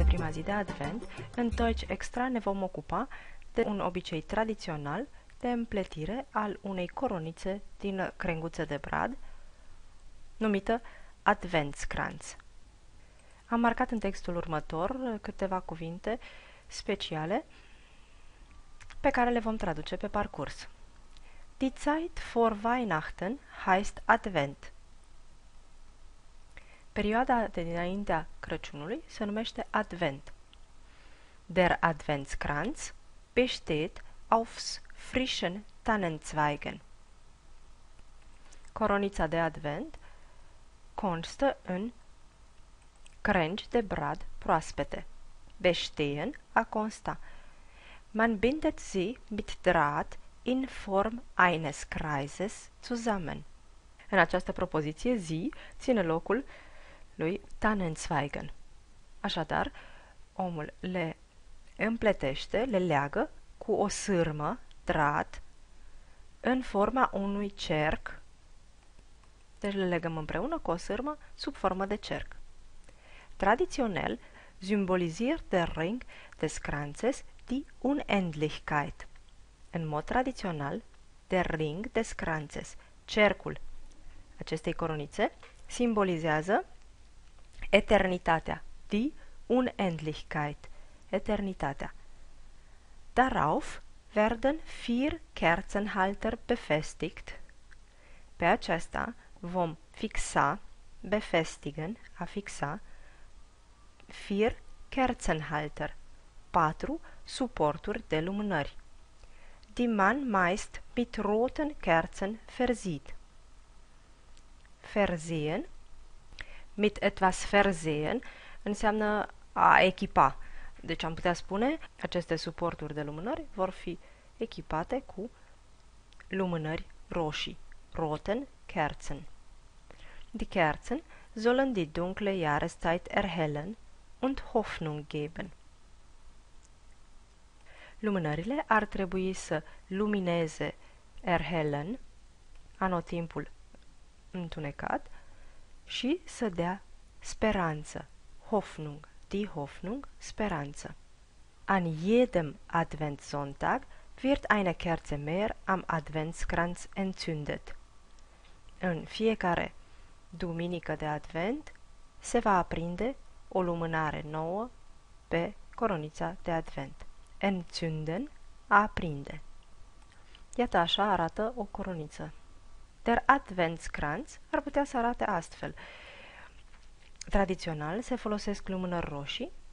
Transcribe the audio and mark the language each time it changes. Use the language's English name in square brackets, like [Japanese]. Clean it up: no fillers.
[Romanian] zi de advent, în tălci extra ne vom ocupa de un obicei tradițional de împletire al unei coronițe din crenguță de brad, numită Adventskranz. Am marcat în textul următor câteva cuvinte speciale pe care le vom traduce pe parcurs. [German] Die Zeit vor Weihnachten heißt Advent. [Romanian] Perioada de dinaintea Crăciunului se numește Advent. [German] Der Adventskranz besteht aufs frischen Tannenzweigen. [Romanian] Coronița de Advent constă în crengi de brad proaspete. Bestehen, a consta. [German] Man bindet sie mit Draht in Form eines Kreises zusammen. [Romanian] În această propoziție, sie ține locul lui Tannenzweigen. Așadar, omul le împletește, le leagă cu o sârmă, Draht, în forma unui cerc. Deci le legăm împreună cu o sârmă sub formă de cerc. [German] Traditionell symbolisiert der Ring des Kranzes die Unendlichkeit. [Romanian] În mod tradițional, [German] der Ring des Kranzes, [Romanian] cercul acestei coronițe, simbolizează eternitatea, die Unendlichkeit, eternitatea. [German] Darauf werden vier Kerzenhalter befestigt. [Romanian] Pe aceasta vom fixa, befestigen, a fixa, [German] vier Kerzenhalter, [Romanian] patru suporturi de lumânări. [German] Die man meist mit roten Kerzen versieht. Versehen, mit etwas versehen, [Romanian] înseamnă a echipa. Deci am putea spune, aceste suporturi de lumânări vor fi echipate cu lumânări roșii, [German] roten Kerzen. Die Kerzen sollen die dunkle Jahreszeit erhellen und Hoffnung geben. [Romanian] Lumânările ar trebui să lumineze erhellen, anotimpul întunecat, și să dea speranță, Hoffnung, die Hoffnung, speranță. [German] An jedem Adventssonntag wird eine Kerze mehr am Adventskranz entzündet. [Romanian] În fiecare duminică de advent se va aprinde o lumânare nouă pe coronița de advent. Entzünden, a aprinde. Iată așa arată o coroniță. Der Adventskranz ar putea să arate astfel. Tradițional se folosesc lumânări roșii.